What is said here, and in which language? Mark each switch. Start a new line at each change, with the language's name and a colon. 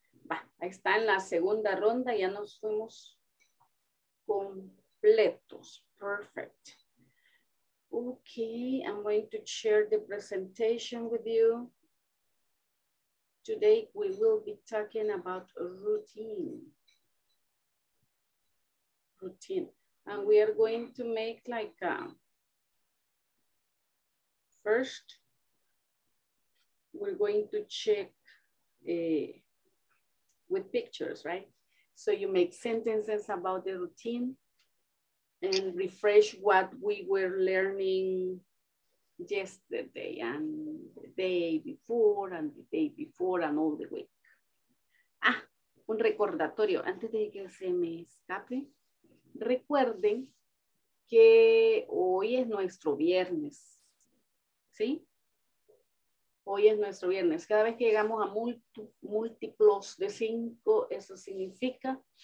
Spanish: Va, ahí está en la segunda ronda, ya nos fuimos con. Completos. Perfect.
English: Okay, I'm going to share the presentation with you. Today we will be talking about routine. Routine. And we are going to make like a first, we're going to check with pictures, right? So you make sentences about the routine. And refresh what we were learning yesterday and the day before and the day before and all the week.
Spanish: Ah, un recordatorio. Antes de que se me escape, recuerden que hoy es nuestro viernes. ¿Sí? Hoy es nuestro viernes. Cada vez que llegamos a múltiplos de 5, eso significa...